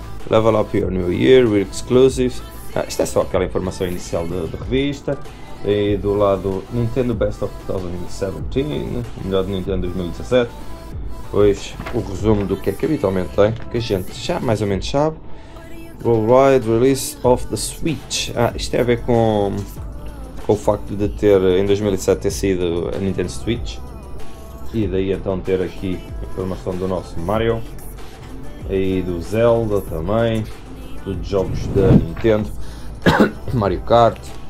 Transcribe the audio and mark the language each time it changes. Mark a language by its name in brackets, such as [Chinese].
[English] Level up your new year with exclusives. [Portuguese] Isto é só aquela informação inicial da revista. E do lado, Nintendo Best of 2017, melhor de Nintendo 2017. Pois o resumo do que é que habitualmente tem, que a gente já mais ou menos sabe. [English] Worldwide release of the Switch. [Portuguese] Isto tem a ver com o facto de ter, em 2007, ter sido a Nintendo Switch. E daí então ter aqui a informação do nosso Mario. E do Zelda também. Dos jogos da Nintendo. Mario Kart.